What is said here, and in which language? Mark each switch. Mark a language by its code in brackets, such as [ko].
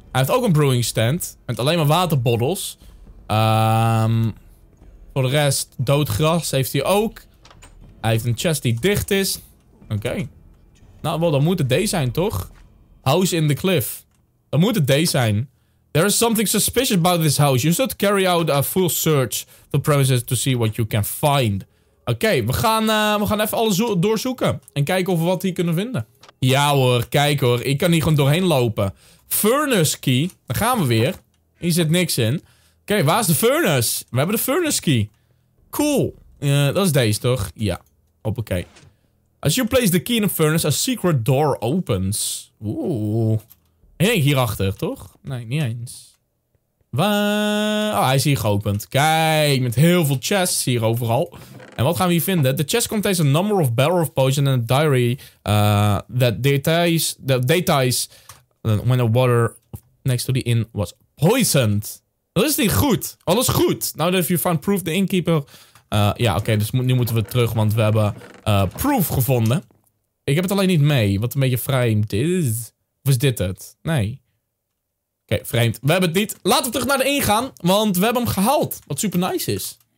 [nl] Hij heeft ook een brewing stand met alleen maar water bottles. Voor de rest, doodgras heeft hij ook. Hij heeft een chest die dicht is. Oké. Nou, wel, dan moet het deze zijn, toch? [en] House in the cliff. [nl] Dan moet het deze zijn. [en] There is something suspicious about this house. You should carry out a full search of the premises to see what you can find. [nl] Oké, we gaan even alles doorzoeken. En kijken of we wat hier kunnen vinden. Ja hoor, kijk hoor. Ik kan hier gewoon doorheen lopen. Furnace key. Daar gaan we weer. Hier zit niks in. Oké, waar is de furnace? We hebben de furnace key. Cool. Dat is deze toch? Ja. Hoppakee. [en] As you place the key in a furnace, a secret door opens. [nl] Oeh. Nee, hierachter, toch? Nee, niet eens. Oh, hij is hier geopend. Kijk, met heel veel chests hier overal. En wat gaan we hier vinden? [en] The chest contains a number of barrel of potion and a diary. That details when the water next to the inn was poisoned. [nl] Dat is niet goed. Alles goed. [en] Now that you found proof, the innkeeper... [nl] Oké, dus nu moeten we terug, want we hebben proof gevonden. Ik heb het alleen niet mee, wat een beetje vreemd is. Of is dit het? Nee. Oké, vreemd. We hebben het niet. Laten we terug naar de ingang, want we hebben hem gehaald. Wat super nice is.